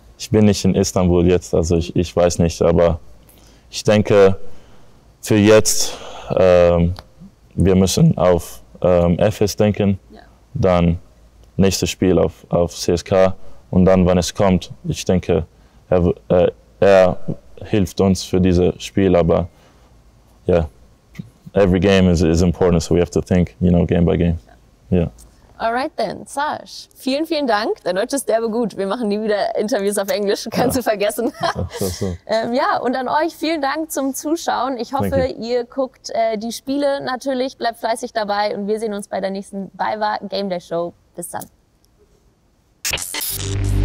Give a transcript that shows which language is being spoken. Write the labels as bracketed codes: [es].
[de] Ich bin nicht in Istanbul jetzt, also ich weiß nicht, aber ich denke, für jetzt, wir müssen auf FS denken, ja. Dann nächstes Spiel auf CSKA und dann, wenn es kommt, ich denke, er hilft uns für dieses Spiel, aber ja, [en] every game is important, so we have to think, you know, game by game. Yeah. Alright then, [de] Sash, vielen, vielen Dank. Dein Deutsch ist derbe gut. Wir machen nie wieder Interviews auf Englisch, kannst du vergessen. ja, und an euch vielen Dank zum Zuschauen. Ich hoffe, ihr guckt die Spiele natürlich, bleibt fleißig dabei und wir sehen uns bei der nächsten BayWa Game Day Show. Bis dann.